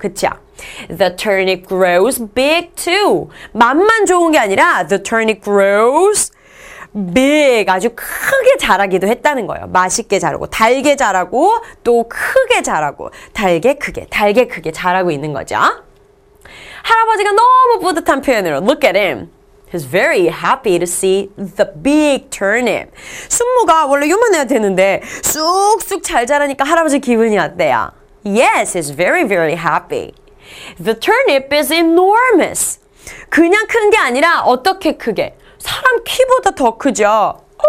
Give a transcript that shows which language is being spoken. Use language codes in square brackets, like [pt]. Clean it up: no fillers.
[ko] 그쵸? [en] The turnip grows big too. [ko] 맛만 좋은 게 아니라 [en] the turnip grows big. [ko] 아주 크게 자라기도 했다는 거예요. 맛있게 자라고 달게 자라고 또 크게 자라고 달게 크게 자라고 있는 거죠. 할아버지가 너무 뿌듯한 표현으로 [en] look at him. He's very happy to see the big turnip. [ko] 순무가 원래 요만해야 되는데 쑥쑥 잘 자라니까 할아버지 기분이 어때요? [en] Yes, he's very, very happy. The turnip is enormous. [ko] 그냥 큰 게 아니라 어떻게 크게? 사람 키보다 더 크죠?